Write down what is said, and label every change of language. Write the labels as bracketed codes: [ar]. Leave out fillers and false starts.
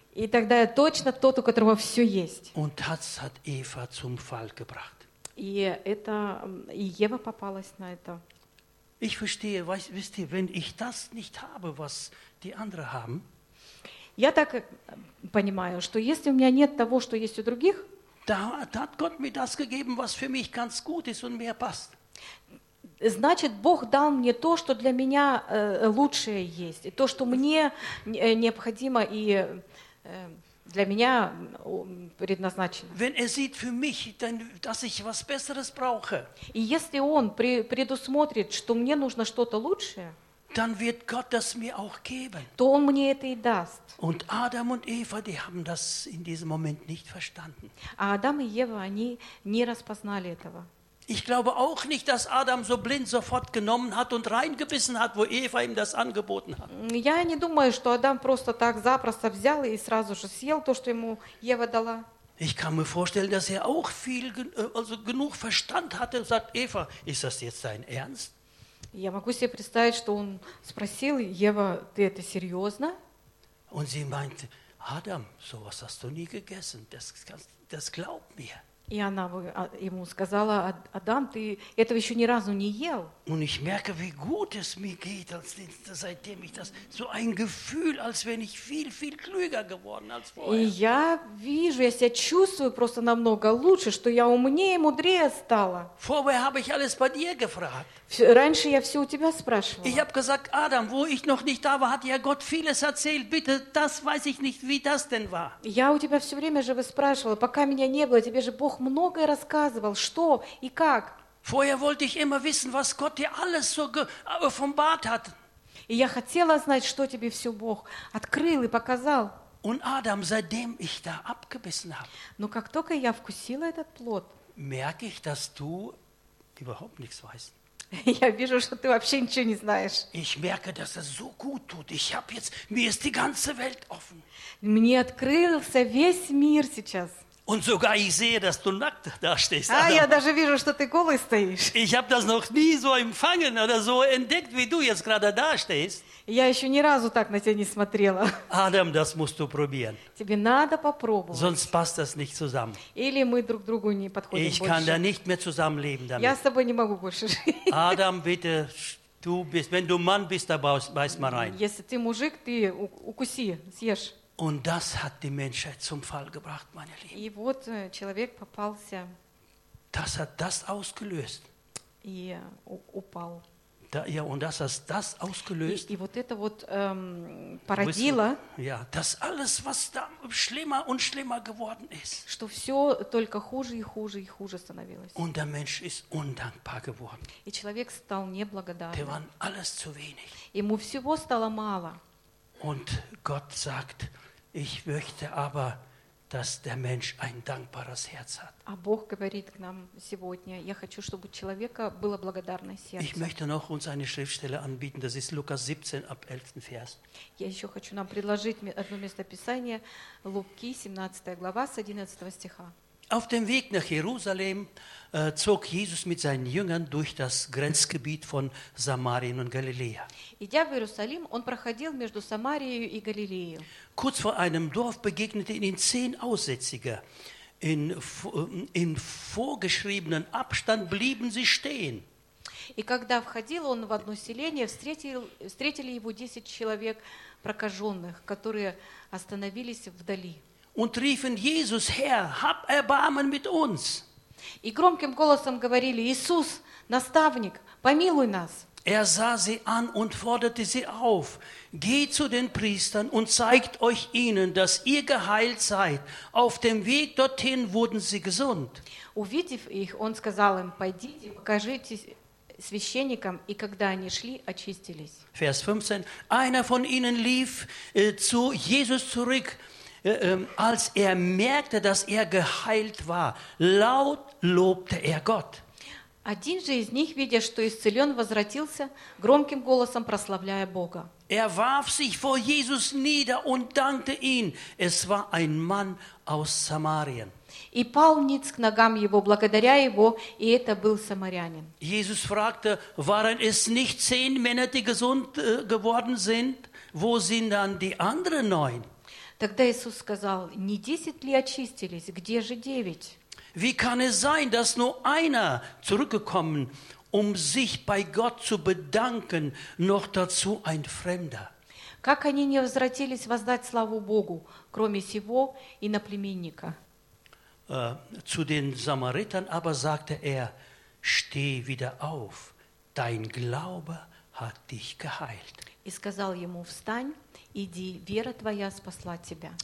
[ru] И тогда я точно тот, у которого все есть. [de] Und das hat Eva zum Fall gebracht. [ru] И это и Ева попалась на это. [de] Ich verstehe, wisst ihr, wenn ich das nicht habe, was die anderen haben. [ru] Я так понимаю, что если у меня нет того, что есть у других, [de] da hat Gott mir das gegeben, was für mich ganz gut ist und mir passt. [ru] Значит, Бог дал мне то, что для меня лучшее есть, и то, что мне необходимо и для меня предназначено. [de] Wenn er sieht für mich, dann, dass ich was Besseres brauche. [ru] И если Он предусмотрит, что мне нужно что-то лучшее, [de] dann wird Gott das mir auch geben. [ru] То Он мне это и даст. [de] Und Adam und Eva, die haben das in diesem Moment nicht verstanden. [ru] А Адам и Ева, они не распознали этого. [de] Ich glaube auch nicht, dass Adam so blind sofort genommen hat und reingebissen hat, wo Eva ihm das angeboten hat. [ru] Я не думаю, что Адам просто так запросто взял и сразу же съел то, что ему Ева дала. [de] Ich kann mir vorstellen, dass er auch viel, also genug Verstand hatte und sagt, Eva, ist das jetzt dein Ernst? [ru] Я могу себе представить, что он спросил Ева, ты это серьезно? [de] Und sie meinte, Адам, sowas hast du nie gegessen, das glaub mir. [ru] И она ему сказала: Адам, ты этого еще ни разу не ел. [de] Und ich merke, wie gut es mir geht, seitdem ich das, so ein Gefühl, als wenn ich viel, viel klüger geworden als vorher. [ru] И я вижу, я себя чувствую просто намного лучше, что я умнее и мудрее стала. [de] Vorher habe ich alles bei dir gefragt. [ru] Раньше я все у тебя спрашивала. [de] Ich habe gesagt, Адам, wo ich noch nicht da war, hat ja Gott vieles erzählt. Bitte, das weiß ich nicht, wie das denn war. [ru] Я у тебя все время же спрашивала, пока меня не было, тебе же Бог многое рассказывал, что и как. [de] Vorher wollte ich immer wissen, was Gott dir alles so offenbart hat. [ru] И я хотела знать, что тебе все Бог открыл и показал. [de] Und Adam, seitdem ich da abgebissen habe. [ru] Но как только я вкусила этот плод, [de] merke ich, dass du überhaupt nichts weißt. [ru] Я вижу, что ты вообще ничего не знаешь. [de] Ich merke, dass es so gut tut. Ich habe jetzt, mir ist die ganze Welt offen. [ru] Мне открылся весь мир сейчас. [de] Und sogar ich sehe, dass du nackt da stehst. [ru] Ah, я даже вижу, что ты голый стоишь. [de] Ich habe das noch nie so empfangen oder so entdeckt, wie du jetzt gerade da stehst. [ru] Я еще ни разу так на тебя не смотрела. [de] Adam, das musst du probieren. [ru] Тебе надо попробовать. [de] Sonst passt das nicht zusammen. [ru] Или мы друг другу не подходим больше. [de] Ich kann da nicht mehr zusammenleben damit. [ru] Я с тобой не могу больше жить. [de] Adam, bitte, du bist, wenn du Mann bist, da beiß mal rein. [ru] Если ты мужик, ты укуси, съешь. [de] Und das hat die Menschheit zum Fall gebracht, meine Lieben. [ru] И вот человек попался. [de] Das hat das ausgelöst. [ru] И упал. [de] Da, ja, und das hat das ausgelöst. [ru] И вот это вот породило. [de] Ja, das alles, was da schlimmer und schlimmer geworden ist. [ru] Что все только хуже и хуже и хуже становилось. [de] Und der Mensch ist undankbar geworden. [ru] И человек стал неблагодарным. [de] Der war alles zu wenig. [ru] Ему всего стало мало. [de] Und Gott sagt, ich möchte aber, dass der Mensch ein dankbares Herz hat. [ru] А Бог говорит к нам сегодня: я хочу, чтобы у человека было благодарное сердце. [de] Ich möchte noch uns eine Schriftstelle anbieten. Das ist Lukas 17 ab 11 Vers. [ru] Я еще хочу нам предложить одно местописание Луки 17 глава с 11 стиха. [de] Auf dem Weg nach Jerusalem zog Jesus mit seinen Jüngern durch das Grenzgebiet von Samarien und Galiläa. [ru] Идя в Иерусалим, он проходил между Самарией и Галилеей. [de] Kurz vor einem Dorf begegneten ihnen 10 Aussätzige. In vorgeschriebenen Abstand blieben sie stehen. [ru] И когда входил он в одно селение, встретили его 10 человек прокаженных, которые остановились вдали. [de] Und riefen: Jesus, Herr, hab Erbarmen mit uns. [ru] И громким голосом говорили: Иисус, наставник, помилуй нас. [de] Er sah sie an und forderte sie auf: Geht zu den Priestern und zeigt euch ihnen, dass ihr geheilt seid. Auf dem Weg dorthin wurden sie gesund. [ru] Увидев их, он сказал им: Пойдите, покажите священникам, и когда они шли, очистились. [de] Vers 15: Einer von ihnen lief zu Jesus zurück. Als er merkte, dass er geheilt war, laut lobte er Gott. [ru] Один же из них, видя, что исцелен, возвратился, громким голосом прославляя Бога. [de] Er warf sich vor Jesus nieder und dankte ihm. Es war ein Mann aus Samarien. [ru] И пал ниц к ногам его, благодаря его, и это был самарянин. [de] Jesus fragte: Waren es nicht 10 Männer, die gesund geworden sind? Wo sind dann die anderen 9? [ru] Тогда Иисус сказал: не 10 ли очистились, где же 9? [de] Wie kann es sein, dass nur einer zurückgekommen, um sich bei Gott zu bedanken, noch dazu ein Fremder? [ru] Как они не возвратились воздать славу Богу, кроме сего иноплеменника? [de] Zu den Samaritern aber sagte er: Steh wieder auf, dein Glaube hat dich geheilt. [ru] И сказал ему: встань, иди, вера твоя спасла тебя.